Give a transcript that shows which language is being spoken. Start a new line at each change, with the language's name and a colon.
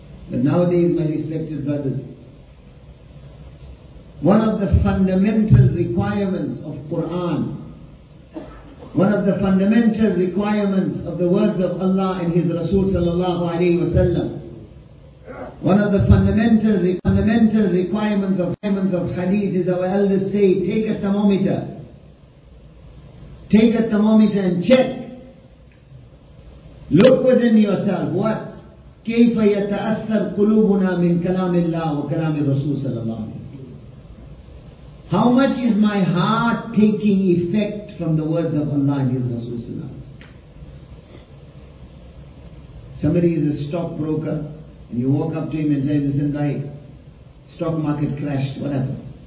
English: But nowadays, my respected brothers, one of the fundamental requirements of Qur'an, one of the fundamental requirements of the words of Allah and His Rasul sallallahu alayhi wa sallam, one of the fundamental requirements of hadith is our elders say, take a thermometer and check, look within yourself, what?
Arabic: كيف يتأثر قلوبنا من كلام الله وكلام الرسول صلى الله عليه وسلم.
English: How much is my heart taking effect from the words of Allah and His Rasul sallallahu alayhi wa sallam? Somebody is a stockbroker and you walk up to him and say, listen guy, stock market crashed, what happens?